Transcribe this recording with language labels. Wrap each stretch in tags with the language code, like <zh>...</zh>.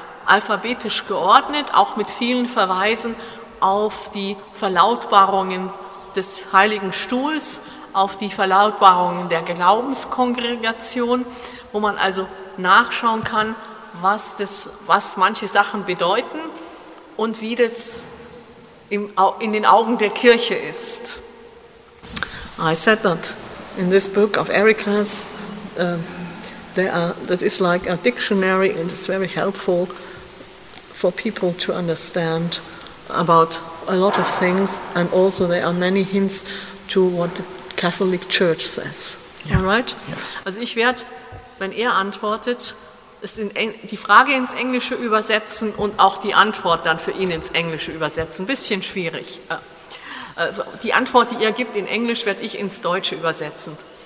<de>alphabetisch geordnet, auch mit vielen Verweisen auf die Verlautbarungen des Heiligen Stuhls, auf die Verlautbarungen der Glaubenskongregation, wo man also nachschauen kann, was manche Sachen bedeuten und wie das in den Augen der Kirche ist.</de> <en>I said that in this book of Erika's, that is like a dictionary and it's very helpful for people to understand about a lot of things, and also there are many hints to what the Catholic Church says. Yeah. All right? Yeah.</en> <de>Also ich werde, wenn er antwortet, die Frage ins Englische übersetzen und auch die Antwort dann für ihn ins Englische übersetzen. Ein bisschen schwierig. Die Antwort, die er gibt in Englisch, werde ich ins Deutsche übersetzen.</de>